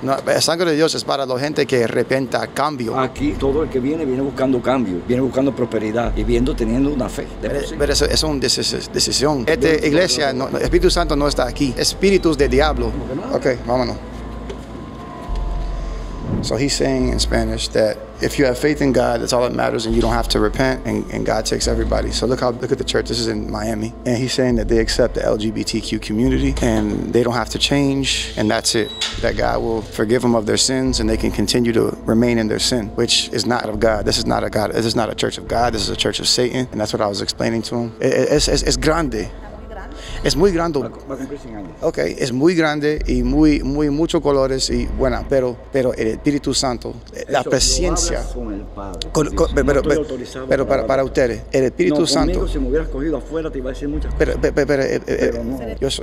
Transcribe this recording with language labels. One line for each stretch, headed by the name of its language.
Spanish: No, la sangre de Dios es para la gente que repenta cambio. Aquí todo el que viene buscando cambio, viene buscando prosperidad y teniendo una fe. Pero eso es una decisión. Esta iglesia, no, Espíritu Santo no está aquí. Espíritus de diablo. Okay, vámonos.
English: So he's saying in Spanish that if you have faith in God, that's all that matters, and you don't have to repent, and God takes everybody. So look at the church. This is in Miami. And he's saying that they accept the LGBTQ community, and they don't have to change, and that's it. That God will forgive them of their sins, and they can continue to remain in their sin, which is not of God. This is not a God. This is not a church of God. This is a church of Satan. And that's what I was explaining to him.
Spanish: It's grande. Es muy grande. Okay, es muy grande y muy, muy, muchos colores y buena, pero el Espíritu Santo, la presencia. Pero para ustedes, el Espíritu Santo. Si me hubieras cogido afuera, te iba a decir muchas cosas.